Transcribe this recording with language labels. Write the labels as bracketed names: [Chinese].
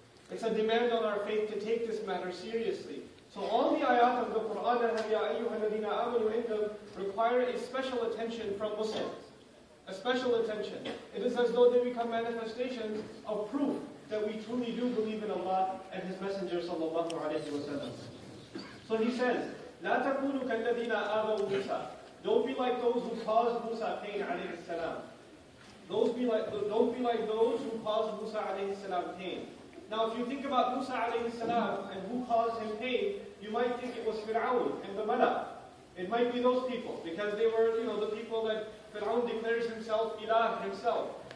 [English] It's a demand on our faith to take this matter seriously. So all the ayat of the Qur'an that have Ya ayyuhal ladina amanu in them require a special attention from Muslims. A special attention. It is as though they become manifestations of proof that we truly do believe in Allah and His Messenger sallallahu alayhi wa sallam. So He says, [Arabic] لا تكونوا كالذين آذوا موسى. [English] Don't be like those who caused Musa pain عليه السلام. Don't be like those who caused Musa alayhi salam pain. Now, if you think about Musa alayhi salam and who caused him pain, you might think it was Fir'aun and the Mala. It might be those people because they were, you know, the people that Fir'aun declares himself ilah himself.